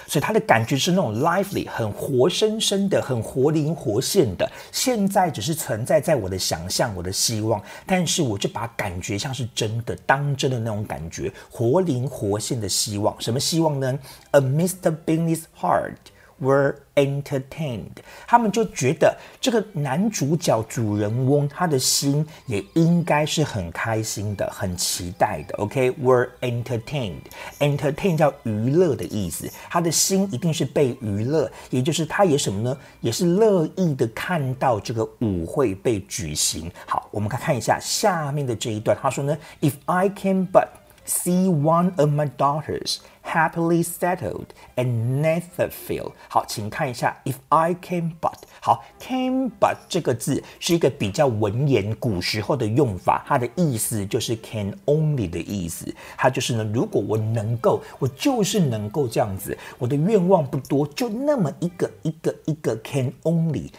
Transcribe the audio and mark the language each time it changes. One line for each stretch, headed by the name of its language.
Chinese: 所以它的感觉是那种 lively， 很活生生的，很活灵活现的，现在只是存在在我的想象，我的希望，但是我就把感觉像是真的，当真的那种感觉，活灵活现的希望。什么希望呢？A Mr.
English: Bingley's heart were entertained。
Chinese: 他们就觉得这个男主角主人翁他的心也应该是很开心的，很期待的， OK。 Were entertained， entertained 叫娱乐的意思，他的心一定是被娱乐，也就是他也什么呢，也是乐意的看到这个舞会被举行。好，我们看一下下面的这一段，他说呢，
English: If I can butSee one of my daughters happily settled in Netherfield。
Chinese: 好，请看一下
English: If I came but。
Chinese: 好， came but 这个字是一个比较文言古时候的用法，它的意思就是 can only 的意思，它就是呢，如果我能够，我就是能够这样子，我的愿望不多，就那么一个一个一个 can only。